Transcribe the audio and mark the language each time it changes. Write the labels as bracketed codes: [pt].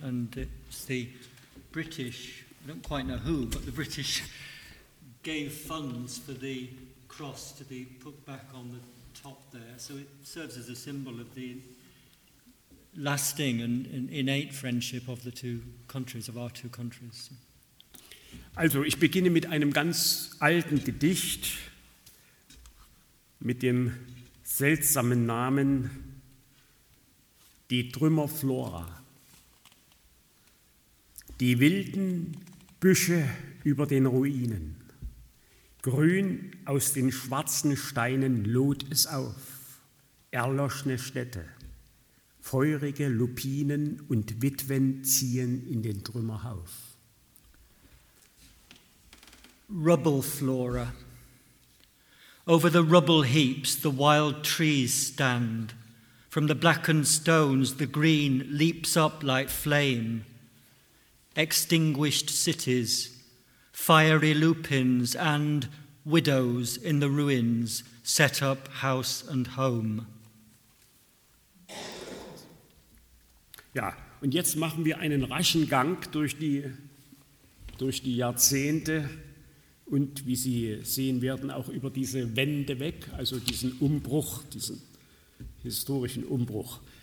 [en] And it's the British, I don't quite know who, but the British gave funds for the cross to be put back on the top there. So it serves as a symbol of the lasting and innate friendship of the two countries, of our two countries. [de] Also, ich beginne mit einem ganz alten Gedicht mit dem seltsamen Namen Die Trümmerflora. Die wilden Büsche über den Ruinen. Grün aus den schwarzen Steinen lud es auf. Erloschene Städte, feurige Lupinen und Witwen ziehen in den Trümmerhaufen. [en] Rubble flora. Over the rubble heaps the wild trees stand. From the blackened stones the green leaps up like flame. Extinguished cities, fiery lupins and widows in the ruins set up house and home. [de] Ja, und jetzt machen wir einen raschen Gang durch die Jahrzehnte. Und wie Sie sehen werden, auch über diese Wände weg, also diesen Umbruch, diesen historischen Umbruch.